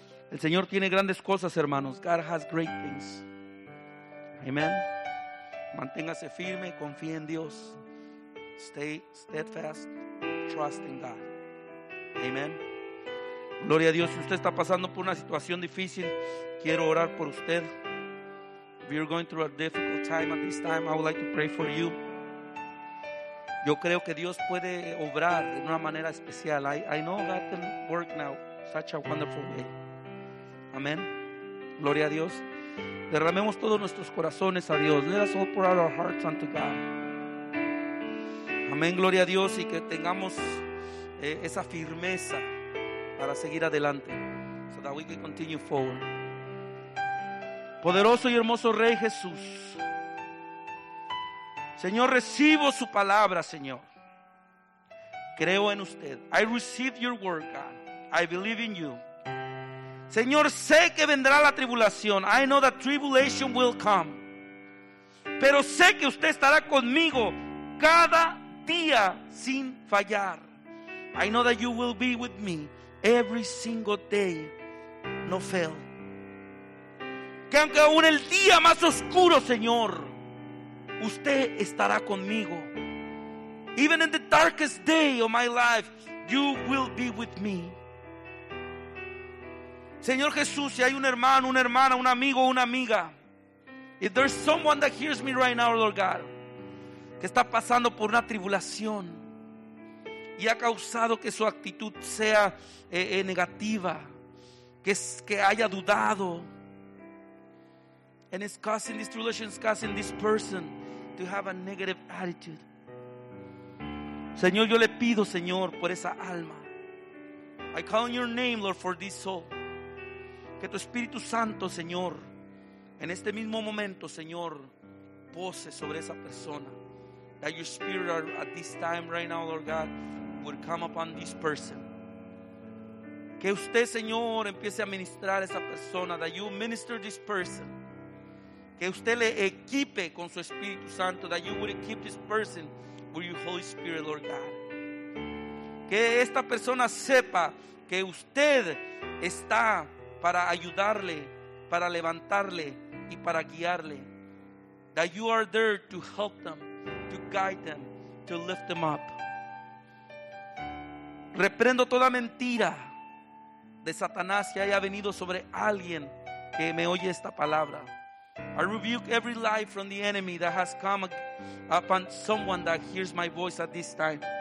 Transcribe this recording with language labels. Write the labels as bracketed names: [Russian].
[Spanish] El Señor tiene grandes cosas, hermanos. [English] God has great things. Amen. [Spanish] Manténgase firme, confíe en Dios. [English] Stay steadfast, trust in God. [Spanish] Amen. Gloria a Dios. Si usted está pasando por una situación difícil, quiero orar por usted. [English] If you're going through a difficult time at this time, I would like to pray for you. [Spanish] Yo creo que Dios puede obrar de una manera especial. [English] I know God can work now such a wonderful way. [Spanish] Amén. Gloria a Dios. Derramemos todos nuestros corazones a Dios. [English] Let us all pour out our hearts unto God. [Spanish] Amén. Gloria a Dios. Y que tengamos esa firmeza para seguir adelante. [English] So that we can continue forward. [Spanish] Poderoso y hermoso Rey Jesús. Señor, recibo su palabra, Señor. Creo en usted. [English] I receive your word, God. I believe in you. [Spanish] Señor, sé que vendrá la tribulación. [English] I know that tribulation will come. [Spanish] Pero sé que usted estará conmigo cada día sin fallar. [English] I know that you will be with me every single day. No fail. [Spanish] Que aunque aún el día más oscuro, Señor, usted estará conmigo. [English] Even in the darkest day of my life, you will be with me. [Spanish] Señor Jesús, si hay un hermano, una hermana, un amigo, una amiga, [English] if there's someone that hears me right now, Lord God, [Spanish] que está pasando por una tribulación y ha causado que su actitud sea negativa, que haya dudado, [English] and it's causing this tribulation, it's causing this person to have a negative attitude. [Spanish] Señor, yo le pido, Señor, por esa alma. [English] I call on your name, Lord, for this soul. [Spanish] Que tu Espíritu Santo, Señor, en este mismo momento, Señor, pose sobre esa persona. [English] That your Spirit at this time right now, Lord God, would come upon this person. [Spanish] Que usted, Señor, empiece a ministrar a esa persona. [English] That you minister this person. [Spanish] Que usted le equipe con su Espíritu Santo. [English] That you would equip this person with your Holy Spirit, Lord God. [Spanish] Que esta persona sepa que usted está para ayudarle, para levantarle y para guiarle. [English] That you are there to help them, to guide them, to lift them up. [Spanish] Reprendo toda mentira de Satanás que haya venido sobre alguien que me oye esta palabra. [English] I rebuke every lie from the enemy that has come upon someone that hears my voice at this time.